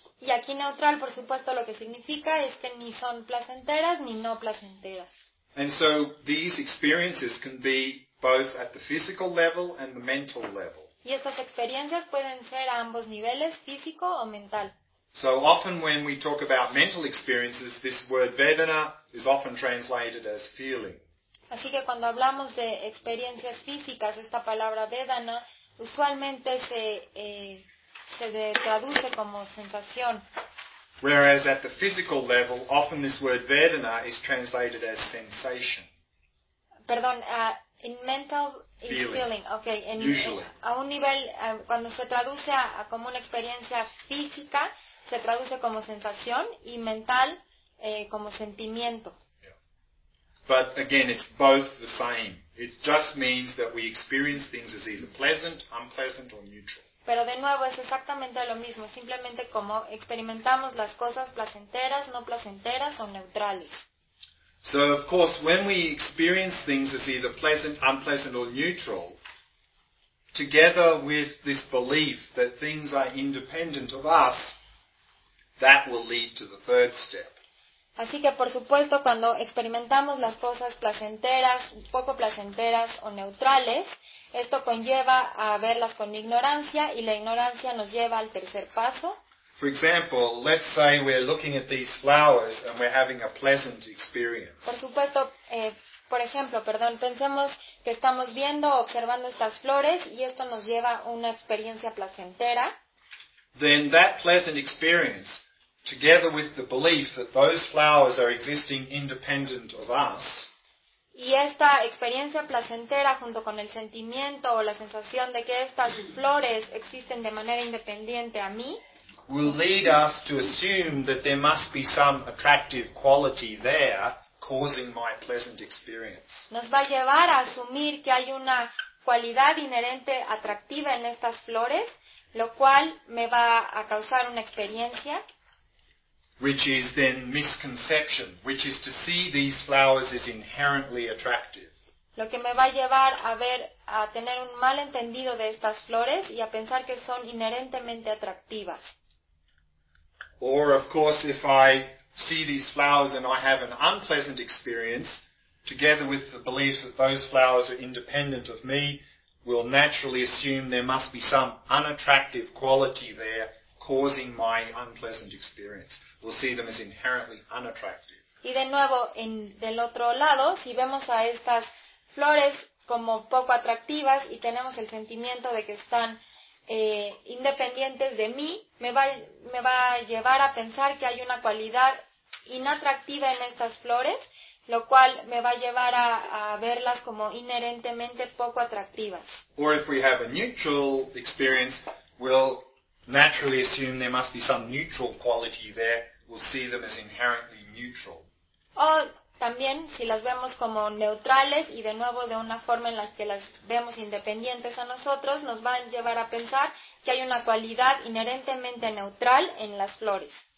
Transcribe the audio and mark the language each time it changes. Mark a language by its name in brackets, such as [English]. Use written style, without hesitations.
[Spanish] Y aquí neutral, por supuesto, lo que significa es que ni son placenteras ni no placenteras. [English] And so these experiences can be both at the physical level and the mental level. [Spanish] Y estas experiencias pueden ser a ambos niveles, físico o mental. [English] So often when we talk about mental experiences, this word vedana is often translated as feeling. [Spanish] Así que cuando hablamos de experiencias físicas, esta palabra vedana usualmente se traduce como sensación. [English] Whereas at the physical level, often this word vedana is translated as sensation. [Spanish] Perdón, [English] in mental is feeling. Okay, usually. [Spanish] A un nivel, cuando se traduce a como una experiencia física, se traduce como sensación, y mental como sentimiento. [English] Yeah. But again, it's both the same. It just means that we experience things as either pleasant, unpleasant, or neutral. [Spanish] Pero de nuevo es exactamente lo mismo, simplemente como experimentamos las cosas placenteras, no placenteras o neutrales. [English] So of course when we experience things as either pleasant, unpleasant or neutral, together with this belief that things are independent of us, that will lead to the third step. [Spanish] Así que por supuesto cuando experimentamos las cosas placenteras, poco placenteras o neutrales, esto conlleva a verlas con ignorancia y la ignorancia nos lleva al tercer paso. [English] For example, let's say we're looking at these flowers and we're having a pleasant experience. [Spanish] Por supuesto, por ejemplo, perdón, pensemos que estamos viendo, observando estas flores y esto nos lleva a una experiencia placentera. [English] Then that pleasant experience, together with the belief that those flowers are existing independent of us, [Spanish] y esta experiencia placentera junto con el sentimiento o la sensación de que estas flores existen de manera independiente a mí, [English] will lead us to assume that there must be some attractive quality there causing my pleasant experience. [Spanish] Nos va a llevar a asumir que hay una cualidad inherente atractiva en estas flores, lo cual me va a causar una experiencia. [English] Which is then misconception, which is to see these flowers as inherently attractive. [Spanish] Lo que me va a llevar a ver, a tener un mal entendido de estas flores y a pensar que son inherentemente atractivas. [English] Or, of course, if I see these flowers and I have an unpleasant experience, together with the belief that those flowers are independent of me, we'll naturally assume there must be some unattractive quality there causing my unpleasant experience. We'll see them as inherently unattractive. [Spanish] Y de nuevo, en del otro lado, si vemos a estas flores como poco atractivas y tenemos el sentimiento de que están independientes de mí, me va a llevar a pensar que hay una cualidad inatractiva en estas flores, lo cual me va a llevar a verlas como inherentemente poco atractivas. [English] Or if we have a neutral experience, we'll naturally assume there must be some neutral quality there. We'll see them as inherently neutral. [Spanish] O también, si las vemos como neutrales y de nuevo de una forma en la que las vemos independientes a nosotros, nos van a llevar a pensar que hay una cualidad inherentemente neutral en las flores.